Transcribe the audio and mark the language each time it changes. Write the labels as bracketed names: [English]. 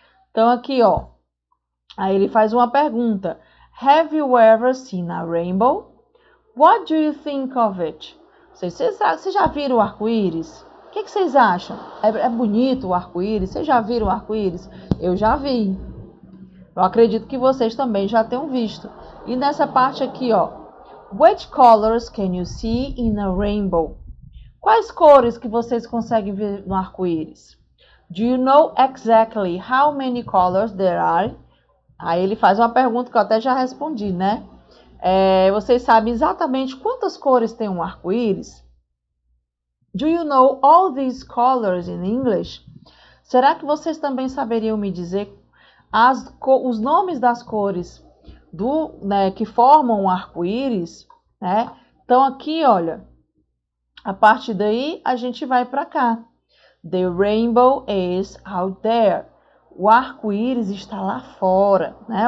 [Portuguese] Então, aqui, ó. Aí ele faz uma pergunta: [English] Have you ever seen a rainbow? What do you think of it? [Portuguese] Vocês já viram o arco-íris? O que vocês acham? É bonito o arco-íris? Vocês já viram o arco-íris? Eu já vi. Eu acredito que vocês também já tenham visto. E nessa parte aqui, ó. [English] Which colors can you see in a rainbow? [Portuguese] Quais cores que vocês conseguem ver no arco-íris? [English] Do you know exactly how many colors there are? [Portuguese] Aí ele faz uma pergunta que eu até já respondi, né? Vocês sabem exatamente quantas cores tem um arco-íris? [English] Do you know all these colors in English? [Portuguese] Será que vocês também saberiam me dizer os nomes das cores do, né, que formam um arco-íris, né? Então aqui, olha, a partir daí a gente vai para cá. [English] The rainbow is out there. [Portuguese] O arco-íris está lá fora, né?